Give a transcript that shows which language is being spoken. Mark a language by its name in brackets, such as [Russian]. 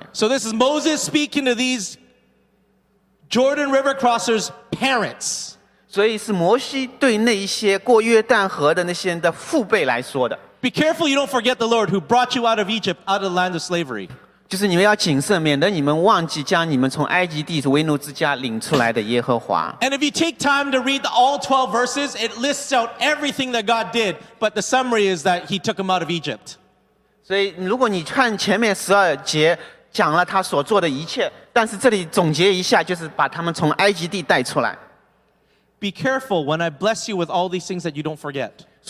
[English] So this is Moses speaking to these Jordan River crossers' parents. [Chinese] 所以是摩西对那一些过约旦河的那些人的父辈来说的。 [English] Be careful you don't forget the Lord who brought you out of Egypt, out of the land of slavery. [Chinese] 就是你们要谨慎, 免得你们忘记将你们从埃及地为奴之家领出来的耶和华。 [English] And if you take time to read all 12 verses, it lists out everything that God did, but the summary is that He took them out of Egypt. [Chinese] 所以如果你看前面12节, 讲了他所做的一切,但是这里总结一下就是把他们从埃及地带出来。 [English] Be careful when I bless you with all these things that you don't forget.